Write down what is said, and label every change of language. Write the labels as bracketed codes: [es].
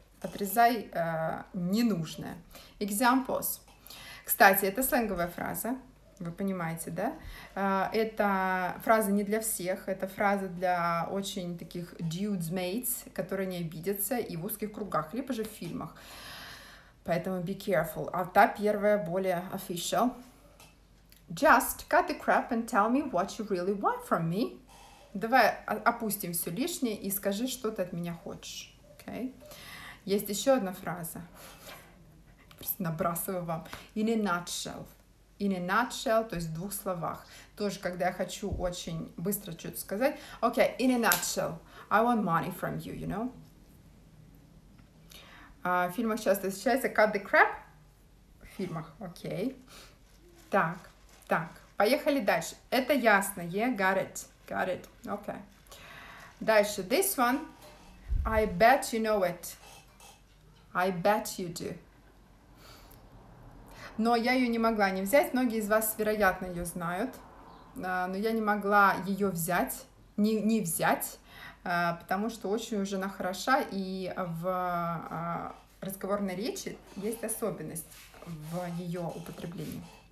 [ru] Отрезай ненужное. Examples. Кстати, это сленговая фраза. Вы понимаете, да? Это фраза не для всех. Это фраза для очень таких dudes mates, которые не обидятся и в узких кругах, либо же в фильмах. Поэтому [en] be careful. [ru] А та первая более official. [en] Just cut the crap and tell me what you really want from me. [ru] Давай опустим все лишнее и скажи, что ты от меня хочешь. Okay? Есть еще одна фраза. Просто набрасываю вам. [en] In a nutshell. [ru] In a nutshell, то есть в двух словах. Тоже, когда я хочу очень быстро что-то сказать. [en] Okay, in a nutshell. I want money from you, you know. [ru] В фильмах часто встречается cut the crap. В фильмах, окей. Так, поехали дальше. Это ясно, [en] yeah, got it, [ru] окей. [en] Дальше, this one, I bet you know it. I bet you do. [ru] но я ее не могла не взять. Многие из вас, вероятно, ее знают, но я не могла ее взять, не взять, потому что очень уже она хороша, и в разговорной речи есть особенность в ее употреблении.